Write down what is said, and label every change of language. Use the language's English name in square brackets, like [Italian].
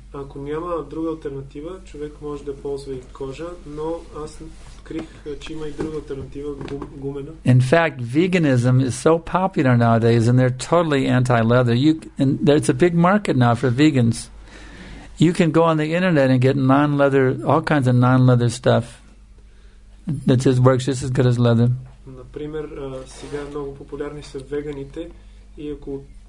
[Bulgarian] Ако няма друга алтернатива, човек може да ползва и кожа, но аз крих, че има и друга алтернатива, гумена. [English] In fact, veganism is so popular nowadays, and they're totally anti-leather. It's a big market now for vegans. You can go on the internet and get non-leather, all kinds of non-leather stuff that just works just as good as leather. [Bulgarian] Например, сега много популярни са веганите и ако